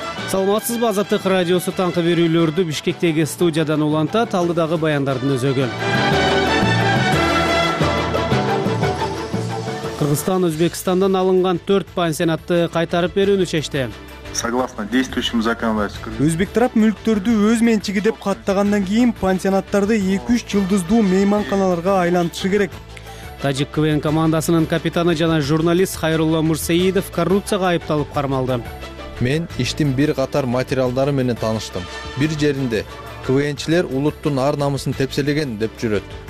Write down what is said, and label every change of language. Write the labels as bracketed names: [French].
[Kyrgyz] Саламатсызбы, Азаттык радиосу таңкы берүүлөрдү Бишкектеги студиядан улантат алдыдагы баяндардын өзөгү. Кыргызстан Өзбекстандан алынган 4 пансионатты кайтарып берүүнү чечти. [Russian] Согласно действующему законодательству. [Kyrgyz] Өзбек тарап мүлктөрдү өз менчиги деп каттагандан кийин пансионаттарды 2-3 жылдыздуу мейманканаларга айлантышы керек. Тажик КВН командасынын капитаны жана журналист Хайрулла Мурсаидов коррупцияга айыпталып кармалды. Мен иштин бир катар материалдары менен тааныштым. Бир жеринде КВНчилер улуттун ар намысын тепселеген деп жүрөт.